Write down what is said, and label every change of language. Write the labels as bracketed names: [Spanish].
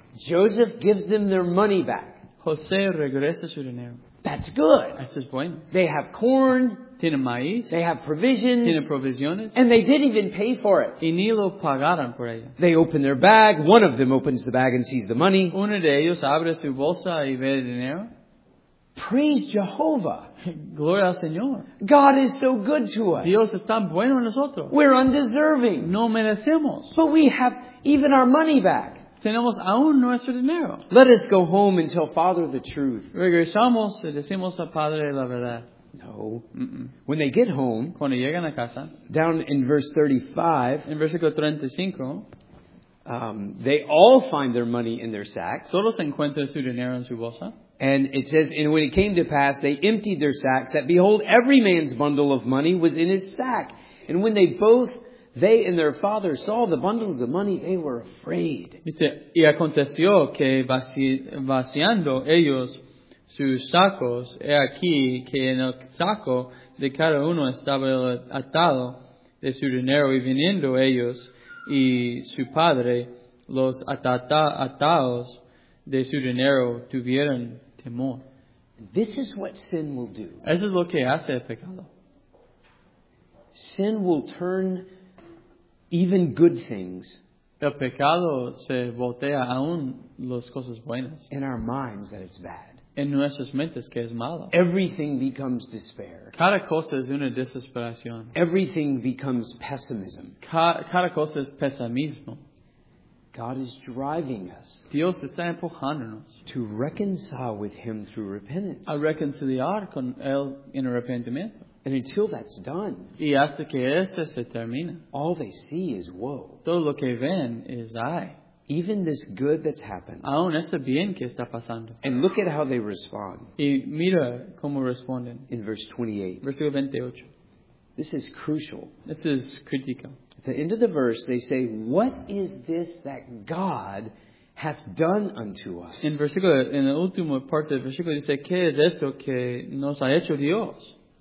[English] Joseph gives them their money back. [Spanish] José regresa su dinero. [English] That's good. [Spanish] Eso es bueno. [English] They have corn. [Spanish] Tienen maíz. [English] They have provisions. [Spanish] Tienen provisiones. [English] And they didn't even pay for it. [Spanish] Y ni lo pagaron por ello. [English] They open their bag. One of them opens the bag and sees the money. [Spanish] Uno de ellos abre su bolsa y ve el dinero. [English] Praise Jehovah. [Spanish] Gloria al Señor. [English] God is so good to us. [Spanish] Dios es tan bueno a nosotros. [English] We're undeserving. [Spanish] No merecemos. [English] But we have even our money back. [Spanish] Tenemos aún nuestro dinero. [English] Let us go home and tell Father the truth. [Spanish] Regresamos y decimos a Padre la verdad. [English] No. When they get home, [Spanish] cuando llegan a casa, [English] down in verse 35, [Spanish] en versículo 35, [English] they all find their money in their sacks. [Spanish] Todos encuentran su dinero en su bolsa. [English] And it says, and when it came to pass, they emptied their sacks, that behold, every man's bundle of money was in his sack. And when they both, they and their father saw the bundles of money, they were afraid. [Spanish] Dice, y aconteció que vaciando ellos sus sacos, he aquí que en el saco de cada uno estaba atado de su dinero, y viniendo ellos y su padre, los atados de su dinero tuvieron temor. [English] This is what sin will do. [Spanish] Eso es lo que hace el pecado. [English] Sin will turn even good things. [Spanish] El pecado se voltea aún las cosas buenas. [English] In our minds that it's bad. [Spanish] En nuestras mentes que es malo. [English] Everything becomes despair. [Spanish] Cada cosa es una desesperación. [English] Everything becomes pessimism. [Spanish] Cada cosa es pesimismo. [English] God is driving us. [Spanish] Dios está empujándonos. [English] To reconcile with Him through repentance. [Spanish] A reconciliar con Él en arrepentimiento. [English] And until that's done, [Spanish] y hasta que eso se termina, [English] all they see is woe. [Spanish] Todo lo que ven es ay. [English] Even this good that's happened. [Spanish] Aún este bien que está pasando. [English] And look at how they respond. [Spanish] Y mira cómo responden. [English] In verse 28. [Spanish] Versículo 28. [English] This is crucial. This is critical. At the end of the verse, they say, "What is this that God hath done unto us?" [Spanish] En versículo, en la última parte del versículo, dice, "¿Qué es esto que nos ha hecho Dios?"